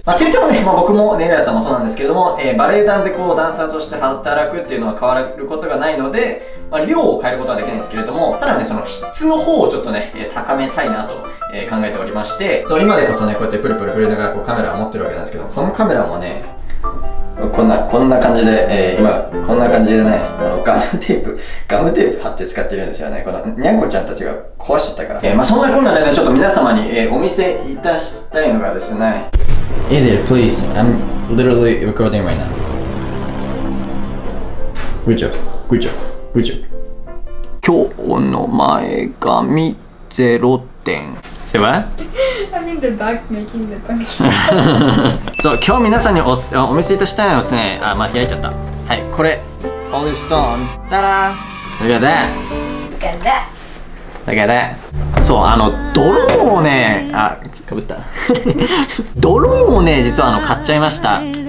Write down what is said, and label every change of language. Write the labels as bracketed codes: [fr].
[ja] まあ、といってもね、まあ、僕もネイラさんもそうなんですけれども、バレエ団でこうダンサーとして働くっていうのは変わることがないので、まあ、量を変えることはできないんですけれども、ただね、その質の方をちょっとね、高めたいなと考えておりまして、そう、今でこそね、こうやってプルプル震えながらこうカメラを持ってるわけなんですけど、このカメラもね、こんな感じで、今こんな感じでね、ガムテープ貼って使ってるんですよね。このにゃんこちゃんたちが壊しちゃったから。まあ、そんなこんなでね、ちょっと皆様に、お見せいたしたいのがですね、 [en] Hey there, please, I'm literally recording right now. Good job, good job, good job. [ja] 今日の前髪ゼロ点。 [en] Say what? I mean, the back making the punch. [ja] So, 今日皆さんにお見せいたしたいのはですね、あ、まあ開いちゃった。はい、これ。ホリストーン。 [en] たら。Look at that. Look at that. Look at that. [ja] そう、ドローンをね、あ、かぶった。ドローンをね、実は買っちゃいました。